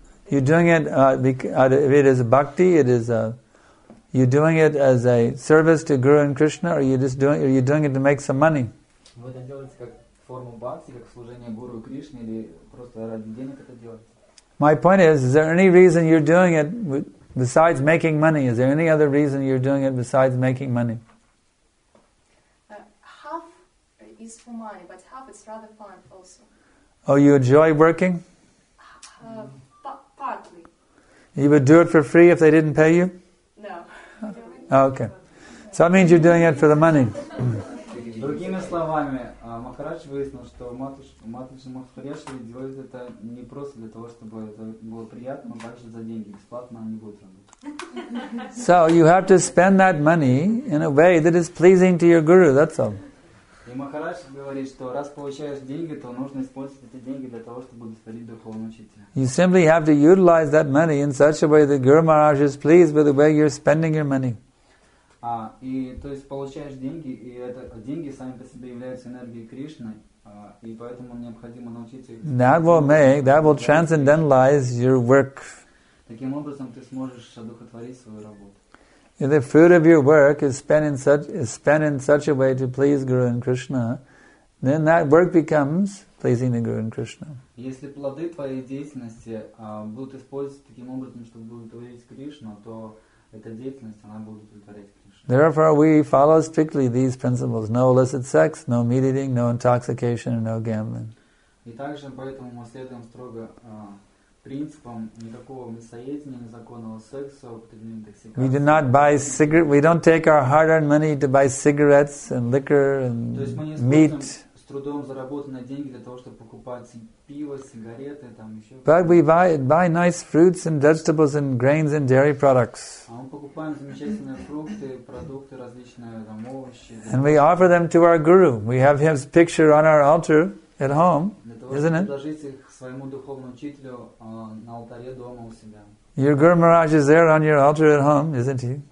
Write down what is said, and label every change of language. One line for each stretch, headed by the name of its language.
English: You're doing it because it is bhakti. It is you're doing it as a service to Guru and Krishna, or are you doing it to make some money?
Russian: Вы это делаете как форму бхакти, как служение Гуру и Кришне, или просто ради денег это делаете?
English: My point is there any reason you're doing it? Besides making money, is there any other reason you're doing it besides making money? Half is for money, but half is rather fun also. Oh, you enjoy working? Partly. You would do it for free if they didn't pay you? No. Okay. So that means you're doing it for the money.
Russian: Другими словами, Махарадж выяснил, что Матриджи Махарадж делает это не просто для того, чтобы это было приятно, но также за деньги. Бесплатно они будут работать.
English: So you have to spend that money in a way that is pleasing to your guru, that's all.
Russian: И Махарадж говорит, что раз получаешь деньги, то нужно использовать эти деньги для того, чтобы удовлетворить духовного учителя.
English: You simply have to utilize that money in such a way that Guru Maharaj is pleased with the way you're spending your money.
Russian: И то есть получаешь деньги, и это деньги сами по себе являются энергией Кришны, и поэтому необходимо научиться.
English: That will transcendentalize your work.
Russian: Таким образом, ты сможешь одухотворить свою работу.
English: If the fruit of your work is spent in such a way to please Guru and Krishna, then that work becomes pleasing to Guru and Krishna.
Russian: Если плоды твоей деятельности будут использоваться таким образом, чтобы удовлетворить Кришну, то эта деятельность она будет удовлетворять Кришну.
English: Therefore, we follow strictly these principles: no illicit sex, no meat eating, no intoxication, and no gambling.
Russian: И также поэтому мы следуем строго принципам никакого мясоедения, незаконного секса, употребления интоксикации.
English: We do not buy cigarettes. We don't take our hard-earned money to buy cigarettes and liquor and meat.
Russian: С трудом заработанные деньги для того, чтобы покупать пиво, сигареты, там еще.
English: But we buy nice fruits and vegetables and grains and dairy products.
Russian: А мы покупаем замечательные фрукты, продукты различные, там овощи.
English: And we offer them to our guru. We have his picture on our altar at home, isn't it?
Russian: Предложить их своему духовному учителю на алтаре дома у себя.
English: Your Guru Maharaj is there on your altar at home, isn't he?